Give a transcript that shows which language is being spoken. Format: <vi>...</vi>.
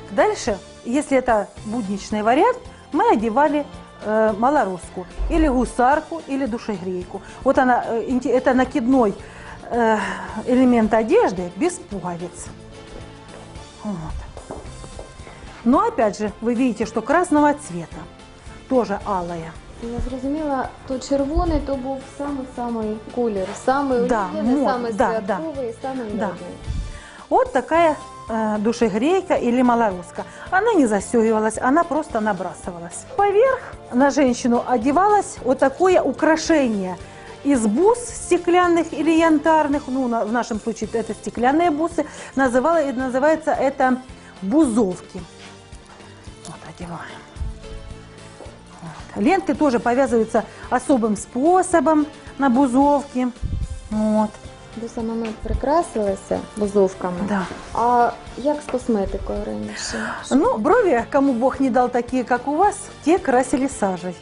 <ru>Дальше, если это будничный вариант, мы одевали малоруску или гусарку, или душегрейку. Вот она, это накидной элемент одежды без пуговиц. Вот. Но опять же, вы видите, что красного цвета, тоже алая.</ru> <uk>Я зрозуміла, то червоний то був самий-самий колір, самий святковий. От така душегрейка або малоруска. Вона не застегувалась, вона просто набрасувалась. Поверх на жінку одягалось от таке украшення із бус стеклянних або янтарних, ну, в нашому випадку це стеклянні буси, називається це бузовки. От, одягаємо.</uk> <ru>Ленты тоже повязываются особым способом на бузовке. Вот.</ru> <uk>До самого момент прикрасилася бузовками.</uk> <ru>Да. А как с косметикой раньше? Ну, брови, кому Бог не дал такие, как у вас, те красили сажей.</ru>